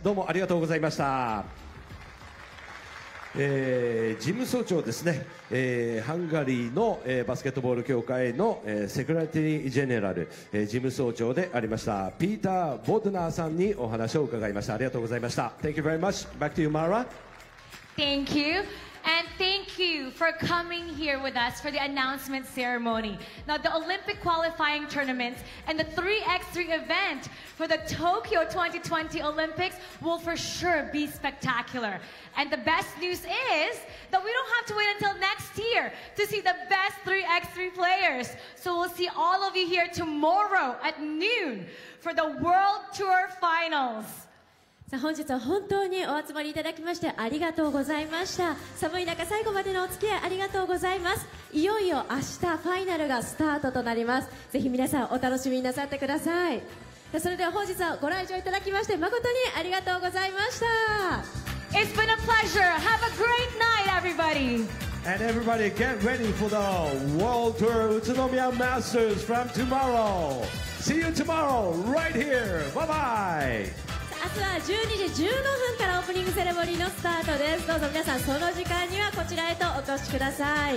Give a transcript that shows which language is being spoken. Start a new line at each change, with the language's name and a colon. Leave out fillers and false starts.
Japanese: どうもありがとうございました。事務総長ですね、ハンガリーの、バスケットボール協会の、セクラティジェネラル、事務総長でありましたピーター・ボドナーさんにお話を伺いました。ありがとうございました。
English: Thank you very much. Back to you, Mara. Thank you. And thank you for coming here with us for the announcement ceremony. Now the Olympic qualifying tournament and the 3x3 event for the Tokyo 2020 Olympics will for sure be spectacular. And the best news is that we don't have to wait until next year to see the best 3x3 players. So we'll see all of you here tomorrow at noon for the World Tour Finals.
Japanese: さあ本日は本当にお集まりいただきましてありがとうございました。寒い中最後までのお付き合いありがとうございます。いよいよ明日ファイナルがスタートとなります。ぜひ皆さんお楽しみになさってください。さあそれでは本日はご来場いただきまして誠にありがとうございました。
English: It's been a pleasure. Have a great night, everybody. And everybody, get ready for the World Tour Utsunomiya Masters from tomorrow. See you tomorrow, right here. Bye-bye.
Japanese: 明日は12時15分からオープニングセレモニーのスタートです。どうぞ皆さん、その時間にはこちらへとお越しください。